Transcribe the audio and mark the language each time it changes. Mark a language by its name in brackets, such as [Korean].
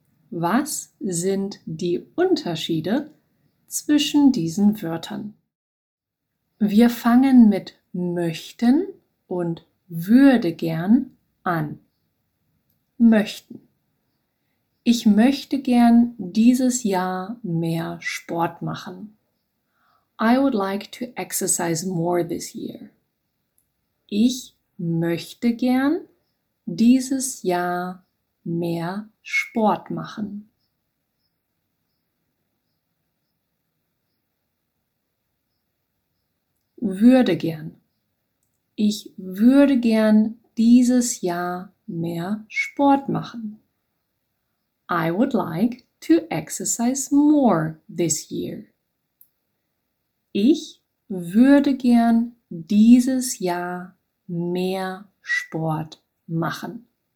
[German] Was sind die Unterschiede zwischen diesen Wörtern? Wir fangen mit möchten und würde gern an. Möchten. Ich möchte gern dieses Jahr mehr Sport machen. [English] I would like to exercise more this year. [German] Ich möchte gern dieses Jahr mehr Sport machen. Würde gern. Ich würde gern dieses Jahr mehr Sport machen. [English] I would like to exercise more this year. [German] Ich würde gern dieses Jahr mehr Sport machen.